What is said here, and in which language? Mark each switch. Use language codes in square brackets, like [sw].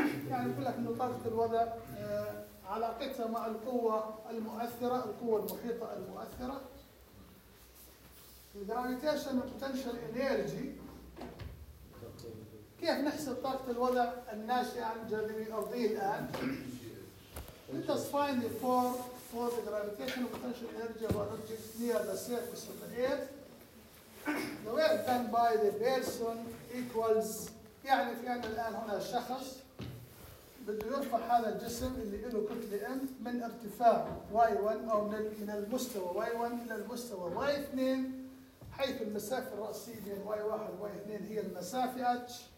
[ar] يعني يقول لك انه طاقة الوضع علاقتها مع القوة المؤثرة القوة المحيطة المؤثرة [en] the gravitation potential energy [ar] كيف نحسب طاقة الوضع الناشئة عن الجاذبية الأرضية الآن [en] Let us find the form for the gravitational potential energy of an object near the surface of the Earth. The work done by the person equals [ar] يعني في عندنا الآن هنا شخص بده يرفع هذا الجسم اللي له كتلة m من ارتفاع y1 أو من المستوى y1 إلى المستوى y2 حيث المسافة الرأسية بين y1 و y2 هي المسافة h.